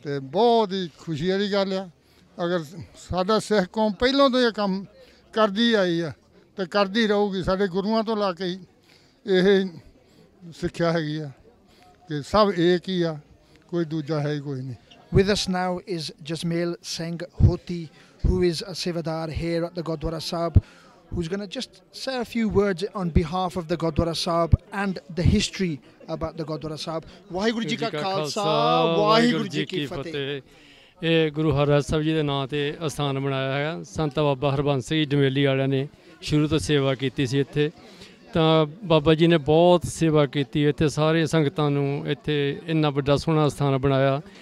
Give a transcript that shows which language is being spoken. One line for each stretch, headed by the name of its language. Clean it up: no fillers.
Punjabi: ਅਤੇ ਬਹੁਤ ਹੀ ਖੁਸ਼ੀ ਵਾਲੀ ਗੱਲ ਆ ਅਗਰ ਸਾਡਾ ਸਿੱਖ ਕੌਮ ਪਹਿਲਾਂ ਤੋਂ ਇਹ ਕੰਮ ਕਰਦੀ ਆਈ ਆ ਤਾਂ ਕਰਦੀ ਰਹੂਗੀ ਸਾਡੇ ਗੁਰੂਆਂ ਤੋਂ ਲਾ ਕੇ ਹੀ ਇਹ ਸਿੱਖਿਆ ਹੈਗੀ ਆ ਕਿ ਸਭ ਇੱਕ ਹੀ ਆ ਕੋਈ ਦੂਜਾ ਹੈ ਹੀ ਕੋਈ ਨਹੀਂ
English: With us now is Jasmeel Singh Hoti, who is a sevadar here at the Gurdwara Sahib, who's going to just say a few words on behalf of the Gurdwara Sahib and the history about the Gurdwara Sahib.
Punjabi: Waheguru Ji Ka Khalsa, Waheguru Ji Ki Fateh. ਇਹ ਗੁਰੂ ਹਰ ਰਾਏ ਸਾਹਿਬ ਜੀ ਦੇ ਨਾਂ 'ਤੇ ਅਸਥਾਨ ਬਣਾਇਆ ਹੈਗਾ ਸੰਤ ਬਾਬਾ ਹਰਬੰਸ ਸਿੰਘ ਡਮੇਲੀ ਵਾਲਿਆਂ ਨੇ ਸ਼ੁਰੂ ਤੋਂ ਸੇਵਾ ਕੀਤੀ ਸੀ ਇੱਥੇ ਤਾਂ ਬਾਬਾ ਜੀ ਨੇ ਬਹੁਤ ਸੇਵਾ ਕੀਤੀ ਇੱਥੇ ਸਾਰੇ ਸੰਗਤਾਂ ਨੂੰ ਇੱਥੇ ਇੰਨਾ ਵੱਡਾ ਸੋਹਣਾ ਅਸਥਾਨ ਬਣਾਇਆ